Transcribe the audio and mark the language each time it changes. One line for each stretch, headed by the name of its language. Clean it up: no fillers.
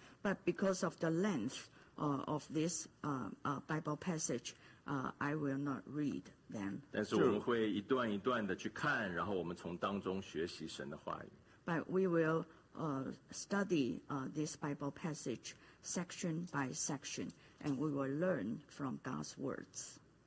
English: But because of the length of this Bible passage, I will not read them.
Chinese: 但是我们会一段一段的去看，然后我们从当中学习神的话语。
English: But we will study this Bible passage section by section, and we will learn from God's words.